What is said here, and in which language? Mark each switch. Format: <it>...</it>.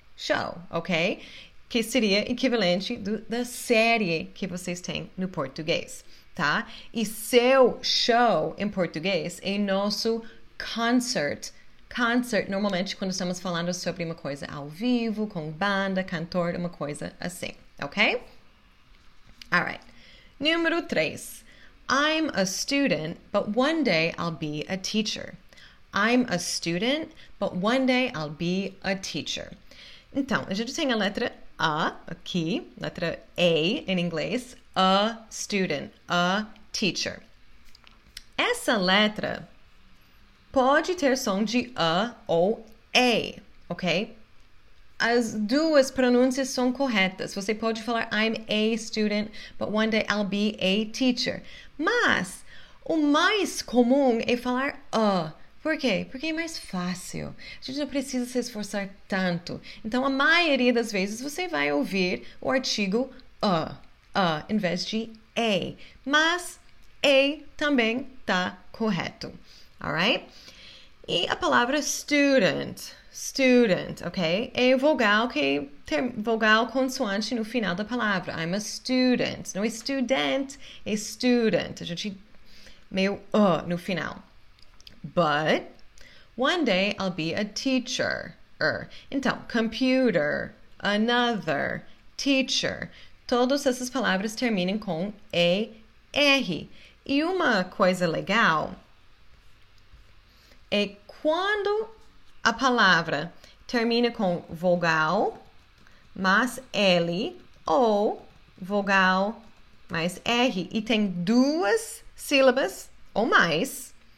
<pt>Show, ok? Que seria equivalente da série que vocês têm no português, tá? E seu show em português é nosso concert. Concert, normalmente, quando estamos falando sobre uma coisa ao vivo, com banda, cantor, uma coisa assim, ok?</pt> <en>Alright.</en> <pt>Número 3.</pt> <en>I'm a student, but one day I'll be a teacher. I'm a student, but one day I'll be a teacher.</en> <pt>Então, a gente tem a letra A aqui, letra A em inglês, a student, a teacher. Essa letra pode ter som de a ou a, ok? As duas pronúncias são corretas. Você pode falar</pt> <en>I'm a student, but one day I'll be a teacher.</en> <pt>Mas o mais comum é falar a. Por quê? Porque é mais fácil. A gente não precisa se esforçar tanto. Então, a maioria das vezes você vai ouvir o artigo a, em vez de a. Mas a também tá correto.</pt> <en>Alright?</en> <pt>E a palavra student, student, ok? É vogal que tem vogal consoante no final da palavra.</pt> <en>I'm a student.</en> <pt>Não é student, é student. A gente meio a no final.</pt> <en>But one day I'll be a teacher.</en> <pt>Então, computer, another, teacher. Todas essas palavras terminam com ER. E uma coisa legal é quando a palavra termina com vogal mais L ou vogal mais R e tem duas sílabas ou mais.</pt>